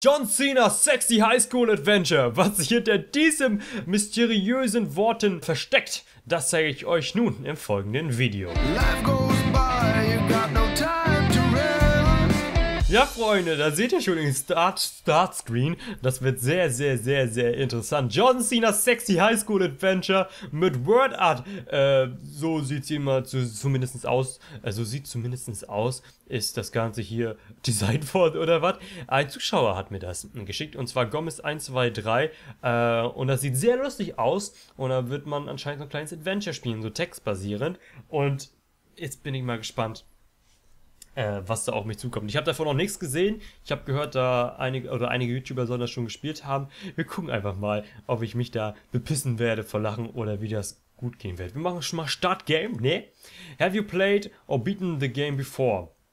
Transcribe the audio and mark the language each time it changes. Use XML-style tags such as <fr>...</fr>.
<en>John Cena's Sexy High School Adventure.</en> <de>Was sich hinter diesen mysteriösen Worten versteckt, das zeige ich euch nun im folgenden Video.</de> <en>Life goes by, you got no time to rest.</en> <de>Ja, Freunde, da seht ihr schon den Startscreen. Das wird sehr, sehr, sehr, sehr interessant.</de> <en>John Cena's Sexy High School Adventure mit Word Art.</en> <de>So sieht sie immer zumindest aus. Also sieht zumindest aus. Ist das Ganze hier designed worden oder was? Ein Zuschauer hat mir das geschickt und zwar Gomez123 und das sieht sehr lustig aus und da wird man anscheinend so ein kleines Adventure spielen, so textbasierend, und jetzt bin ich mal gespannt, was da auf mich zukommt. Ich habe davon noch nichts gesehen. Ich habe gehört, da einige YouTuber sollen das schon gespielt haben. Wir gucken einfach mal, ob ich mich da bepissen werde vor Lachen oder wie das gut gehen wird. Wir machen schon mal Start Game. Ne?</de> <en>Have you played or beaten the game before?</en>